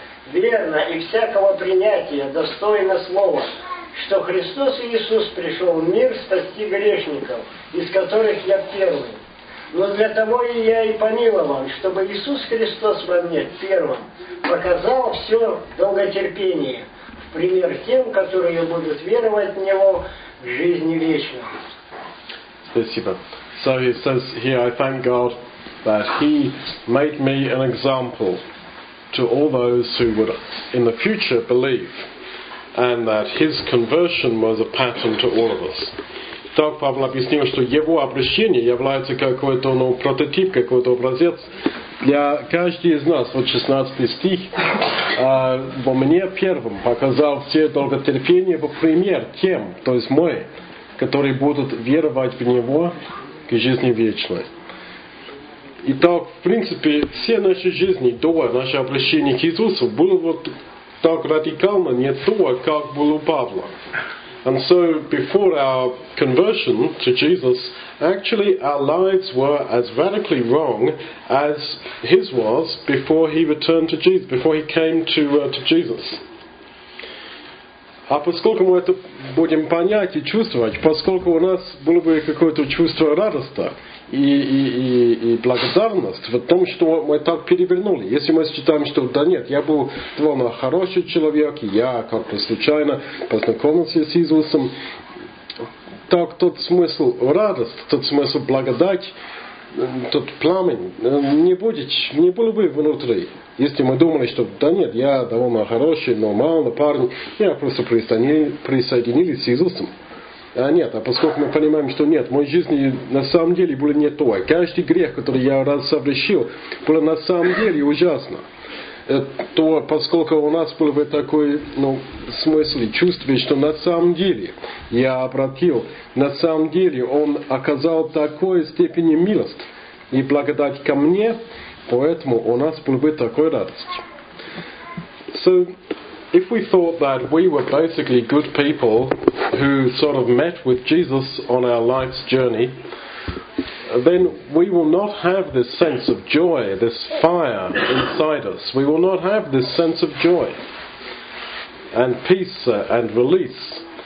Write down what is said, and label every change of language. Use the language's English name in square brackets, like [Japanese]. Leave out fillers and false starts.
[Russian] Верно и всякого принятия достойно слова, что Христос Иисус пришел в мир спасти грешников, из которых я первый. Но для того и я и помилован, чтобы Иисус Христос во мне первым показал все долготерпение в пример тем, которые будут веровать в Него в жизни вечной. [English] So he says here, I thank God that he made me an example to all those who would in the future believe, and that his conversion was a pattern to all of us. [Russian] Так Павел объяснил, что его обращение является какой-то, ну, прототип, какой-то образец для каждого из нас. Вот 16 стих. Во мне первым показал все долготерпение в пример тем, то есть мой, которые будут веровать в Него к жизни вечной. Итак, в принципе, все наши жизни до нашего обращения к Иисусу было вот так радикально не то, как было у Павла. [English] And so, before our conversion to Jesus, actually our lives were as radically wrong as his was before he returned to Jesus, before he came to Jesus. [Russian] А поскольку мы это будем понять и чувствовать, поскольку у нас было бы какое-то чувство радости и благодарность в том, что мы так перевернули. Если мы считаем, что да нет, я был довольно хороший человек, я как-то случайно познакомился с Иисусом, так тот смысл радости, тот смысл благодати, тот пламень не было бы внутри. Если мы думали, что да нет, я довольно хороший, нормальный парень, я просто присоединились с Иисусом. А нет, а поскольку мы понимаем, что нет, в моей жизни на самом деле было не то. Каждый грех, который я раз совершил, был на самом деле ужасно. То поскольку у нас был бы такой, ну, смысл и чувство, что на самом деле я обратил, на самом деле он оказал такой степени милости и благодать ко мне, поэтому у нас был бы такой радости. [English] So, if we thought that we were basically good people who sort of met with Jesus on our life's journey, then we will not have this sense of joy, this fire inside us. We will not have this sense of joy and peace and release.